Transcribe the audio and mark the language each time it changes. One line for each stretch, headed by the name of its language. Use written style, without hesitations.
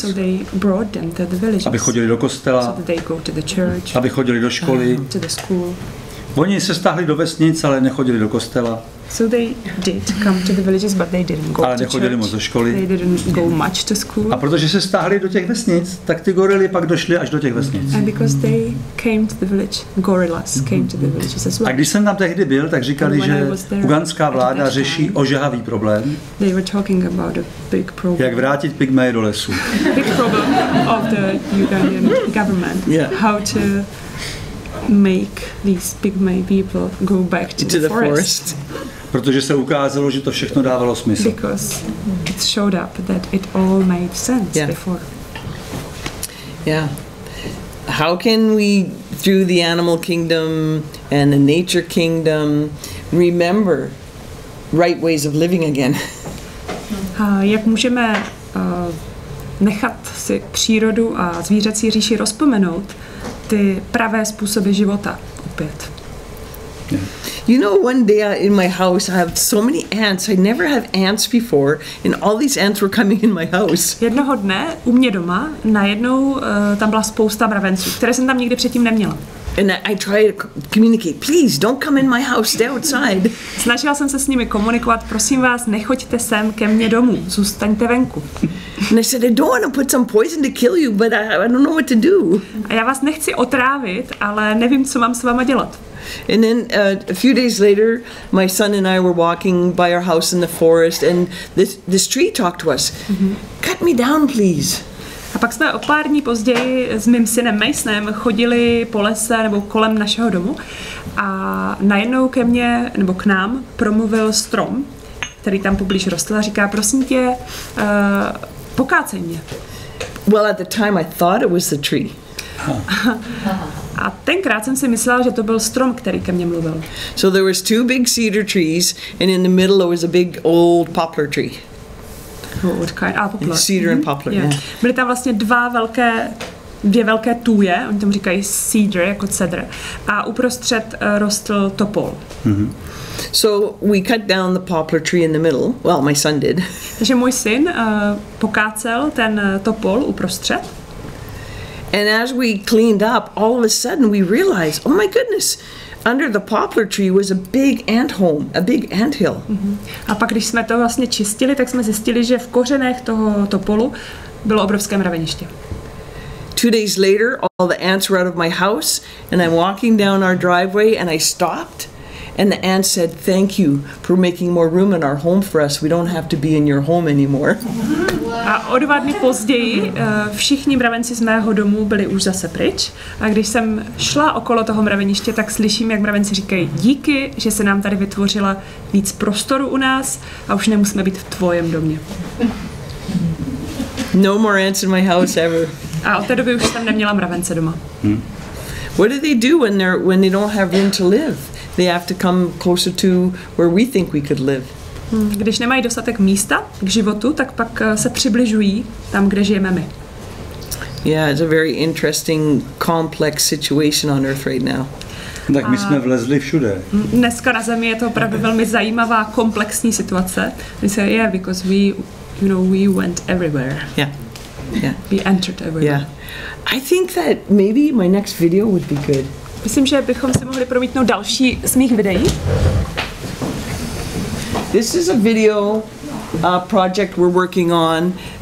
English: So they brought them to the villages.
Czech: Aby chodili do kostela.
English: So that they go to the church.
Czech: Aby chodili do školy.
English: To the school.
Czech: Oni se stáhli do vesnic, ale nechodili do kostela.
English: So they did come to the villages, but they didn't go to church.
Czech: Ale nechodili moc do školy.
English: They didn't go much to school.
Czech: A protože se stáhli do těch vesnic, tak ty gorily pak došli až do těch vesnic.
English: And because they came to the village, gorillas came to the villages as well.
Czech: A když jsem tam tehdy byl, tak říkali, že ugandská vláda řeší ožehavý problém.
English: They were talking about a big problem.
Czech: Jak vrátit pygmeje do lesu.
English: Big problem of the Ugandan government. Yeah. How to make these pygmy people go back to the forest.
Czech: Protože se ukázalo, že to všechno dávalo smysl.
English: Because it showed up that it all made sense before. Yeah. How can we, through the animal kingdom and the nature kingdom, remember right ways of living again?
Czech: Jak můžeme nechat si přírodu a zvířecí říši rozpomenout ty pravé způsoby života opět?
English: You know, one day in my house I have so many ants. I never have ants before, and all these ants were coming in my house.
Czech: Jednoho dne u mě doma najednou tam byla spousta mravenců, které jsem tam nikdy předtím neměla.
English: And I tried to communicate, please don't come in my house, stay outside.
Czech: Snažila jsem se s nimi komunikovat, prosím vás, nechoďte sem ke mně domů, zůstaňte venku.
English: And I said, I don't want to put some poison to kill you, but I don't know what to do.
Czech: A já vás nechci otrávit, ale nevím, co mám s váma dělat.
English: And then a few days later, my son and I were walking by our house in the forest, and this tree talked to us. Mm-hmm. Cut me down, please.
Czech: A pak jsme o pár dní později s mým synem Masonem chodili po lese nebo kolem našeho domu a najednou ke mně nebo k nám promluvil strom, který tam poblíž rostl, a říká, prosím tě, pokácej mě.
English: Well, at the time I thought it was the tree.
Czech: A tenkrát jsem si myslela, že to byl strom, který ke mně mluvil.
English: So there was two big cedar trees and in the middle there was a big old poplar tree. Old kind, poplar. Cedar and poplar, yeah.
Czech: Byly tam vlastně dvě velké tuje, oni tam říkají cedar, jako cedr, a uprostřed rostl topol.
English: So we cut down the poplar tree in the middle. Well, my son did.
Czech: Takže můj syn pokácel ten topol uprostřed.
English: And as we cleaned up, all of a sudden we realized, oh my goodness, under the poplar tree was a big ant home, a big ant hill.
Czech: Mm-hmm. A pak když jsme to vlastně čistili, tak jsme zjistili, že v kořenech toho topolu bylo obrovské mraveniště.
English: 2 days later, all the ants were out of my house, and I'm walking down our driveway, and I stopped, and the ants said, thank you for making more room in our home for us. We don't have to be in your home anymore.
Czech: A o 2 dny později všichni mravenci z mého domu byli už zase pryč. A když jsem šla okolo toho mraveniště, tak slyším, jak mravenci říkají, díky, že se nám tady vytvořila víc prostoru u nás a už nemusíme být v tvojem domě.
English: No more ants in my house ever.
Czech: A od té doby už jsem neměla mravence doma.
English: What do they do when they don't have room to live? They have to come closer to where we think we could live.
Czech: Když nemají dostatek místa k životu, tak pak se přibližují tam, kde žijeme my.
English: Yeah, it's a very interesting, complex situation on Earth right now.
Czech: Tak my jsme vlezli všude. Dneska na Zemi je to opravdu velmi zajímavá, komplexní situace.
English: We say, yeah, because we went everywhere. Yeah. We entered everywhere. Yeah. I think that maybe my next video would be good.
Czech: Myslím, že bychom si mohli promítnout další z mých videí.
English: This is a video project we're working on.